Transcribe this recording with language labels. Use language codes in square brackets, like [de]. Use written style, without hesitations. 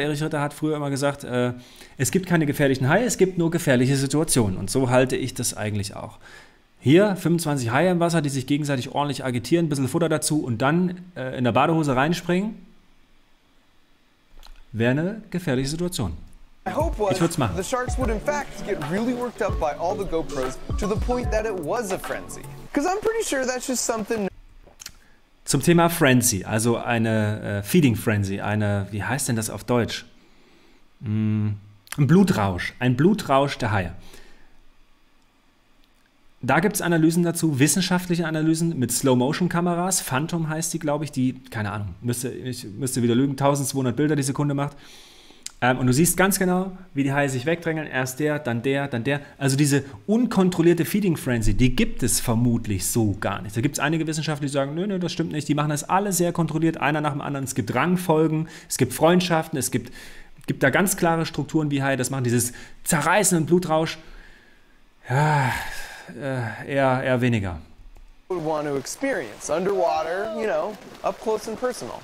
[de] Erich Ritter hat früher immer gesagt, es gibt keine gefährlichen Haie, es gibt nur gefährliche Situationen. Und so halte ich das eigentlich auch. Hier 25 Haie im Wasser, die sich gegenseitig ordentlich agitieren, ein bisschen Futter dazu und dann in der Badehose reinspringen, wäre eine gefährliche Situation. [en] My hope was the sharks would in fact get really worked up by all the GoPros to the point that it was a frenzy. Because I'm pretty sure that's just something... [de] Zum Thema Frenzy, also eine Feeding Frenzy, eine, wie heißt denn das auf Deutsch? Ein Blutrausch der Haie. Da gibt es Analysen dazu, wissenschaftliche Analysen mit Slow-Motion-Kameras, Phantom heißt die, glaube ich, die, keine Ahnung, ich müsste wieder lügen, 1200 Bilder die Sekunde macht. Und du siehst ganz genau, wie die Haie sich wegdrängeln, erst der, dann der, dann der. Also diese unkontrollierte Feeding Frenzy, die gibt es vermutlich so gar nicht. Da gibt es einige Wissenschaftler, die sagen, nö, das stimmt nicht. Die machen das alle sehr kontrolliert, einer nach dem anderen. Es gibt Rangfolgen, es gibt Freundschaften, es gibt da ganz klare Strukturen, wie Haie das machen. Dieses Zerreißen und Blutrausch, ja, eher weniger. [en] Would want to experience underwater, you know, up close and personal.